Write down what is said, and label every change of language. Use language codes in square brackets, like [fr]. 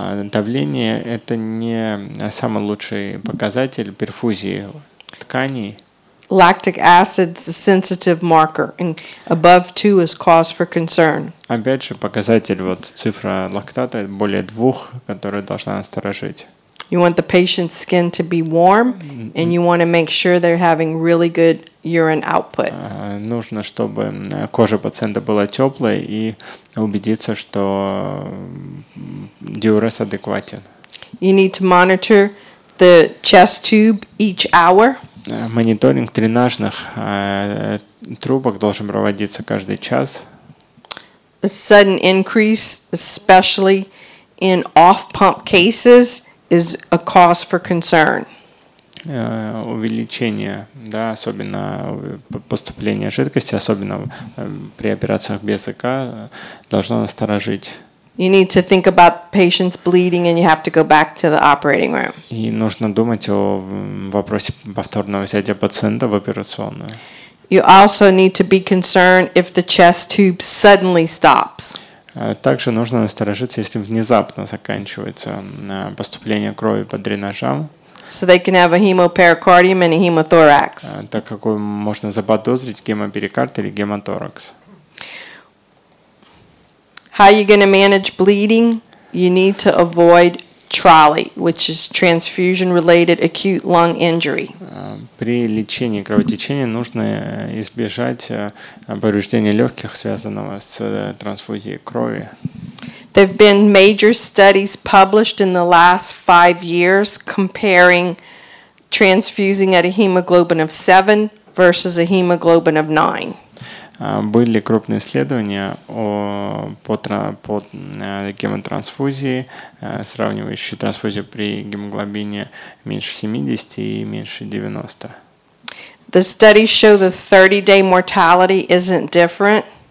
[ru] Давление – это не самый лучший показатель перфузии тканей. [en] Lactic acid is a sensitive marker, and above 2 is cause for concern. [ru] Опять же, показатель, вот цифра лактата более 2, которая должна насторожить. [en] You want the patient's skin to be warm, and you want to make sure they're having really good urine output. [ru] Нужно, чтобы кожа пациента была теплой и убедиться, что диурез адекватен. [en] You need to monitor the chest tube each hour. [ru] Мониторинг дренажных трубок должен проводиться каждый час. [en] A sudden increase, especially in off-pump cases, is a cause for concern. [ru] Увеличение, да, особенно поступление жидкости, особенно при операциях без ЭК, должно насторожить. [en] You need to think about patients bleeding and you have to go back to the operating room. [ru] И нужно думать о вопросе повторного взятия пациента в операционную. [en] You also need to be concerned if the chest tube suddenly stops. [ru] Также нужно насторожиться, если внезапно заканчивается поступление крови по дренажам. [en] So they can have a hemopericardium and a hemothorax. [ru] Так как можно заподозрить гемоперикард или гемоторакс. [en] How are you going to manage bleeding? You need to avoid trolley, which is transfusion-related acute lung injury. [ru] При лечении кровотечения нужно избежать повреждения легких, связанного с трансфузией крови. [en] There have been major studies published in the last 5 years comparing transfusing at a hemoglobin of 7 versus a hemoglobin of 9. [ru] Были крупные исследования по гемотрансфузии, сравнивающие трансфузию при гемоглобине меньше 70 и меньше 90. [en] The studies show the 30-day mortality isn't different.